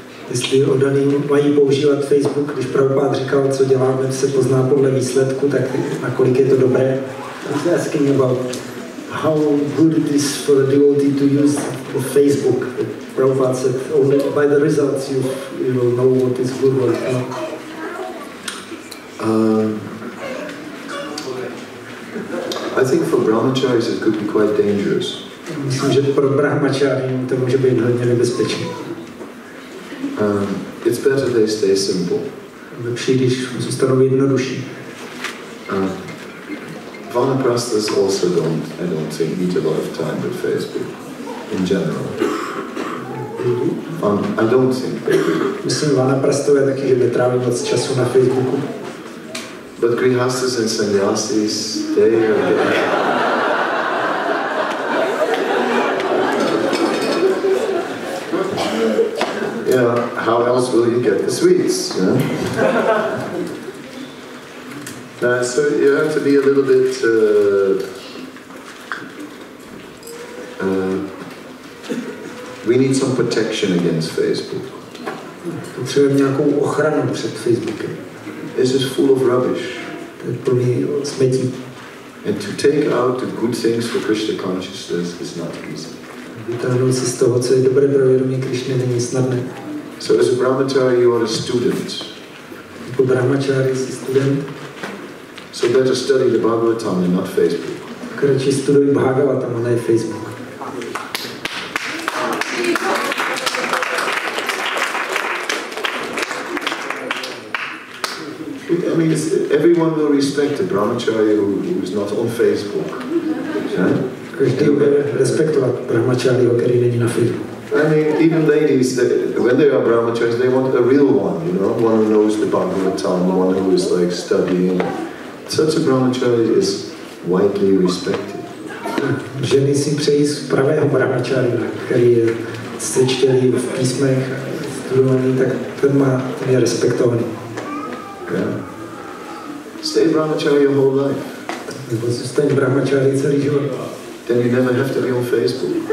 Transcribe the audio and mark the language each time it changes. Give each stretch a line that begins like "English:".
Czech: Jestli oddaný mají používat Facebook, když Prabhupád říkal, co děláme, se pozná podle výsledku, tak nakolik je to dobré?
English: He's asking about how good it is for the devotee to use of Facebook. Prabhupád said, only by the results you will know what is good or not. I think for brahmacharis it could be quite dangerous.
Czech: Myslím, že pro brahmacharí to může být hodně nebezpečné.
English: It's better they stay simple.
Czech: Lepší, když zůstanou jednodušší.
English: Vanaprasthas also don't, I don't think, need a lot of time with Facebook in general. I don't think they do.
Czech: Myslím, vanaprasthové taky, že netráví moc času na Facebooku.
English: But grihasthas and sannyasis, they are there. How else will you get the sweets? Yeah? So you have to be a little bit we need some protection against Facebook.
Czech: Potřebujeme nějakou ochranu před Facebookem.
English: This is full of rubbish.
Czech: To je plný smetí.
English: And to take out the good things for Krishna consciousness is not easy.
Czech: Vytáhnout se z toho, co je dobré pro vědomí Krishna, není snadné.
English: So as a brahmachari, you are a student.
Czech: Jako brahmachari jsi student.
English: So better study the Bhagavatam and not Facebook.
Czech: Kratší studuj Bhagavatam, a ne Facebook.
English: I mean, everyone will respect a brahmachari who is not on Facebook.
Czech: Každý bude respektovat brahmachari, který není na Facebooku.
English: I mean, even ladies, when they are brahmacharis, they want a real one, you know, one who knows the Bhagavatam, one who is like studying. Such a brahmachari is widely respected.
Czech: Ženy si přejí z pravého brahmachari, který je sečtělý v písmech, studovaný, tak ten má je respektovaný.
English: Stay brahmachari your whole life.
Czech: Nebo zůstaň brahmachari celý život.
English: Then you never have to be on Facebook.